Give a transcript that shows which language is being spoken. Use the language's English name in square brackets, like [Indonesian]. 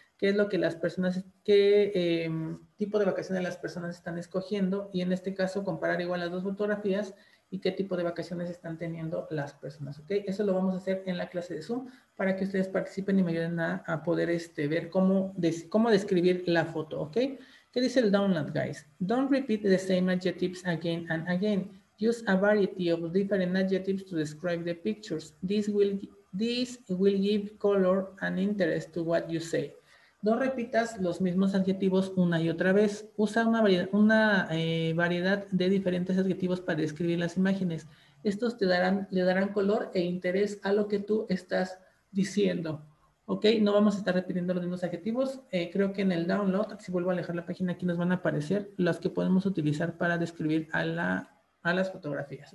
[Spanish] ¿Qué es lo que las personas, tipo de vacaciones las personas están escogiendo? Y en este caso, comparar igual las dos fotografías y qué tipo de vacaciones están teniendo las personas, ¿ok? Eso lo vamos a hacer en la clase de Zoom para que ustedes participen y me ayuden a poder ver cómo describir la foto, ¿ok? ¿Qué dice el download, guys? [English] Don't repeat the same adjectives again and again. Use a variety of different adjectives to describe the pictures. This will give color and interest to what you say. [Spanish] No repitas los mismos adjetivos una y otra vez. Usa una variedad de diferentes adjetivos para describir las imágenes. Estos le darán color e interés a lo que tú estás diciendo. ¿Ok? No vamos a estar repitiendo los mismos adjetivos. Creo que en el download, si vuelvo a alejar la página, aquí nos van a aparecer las que podemos utilizar para describir a las fotografías.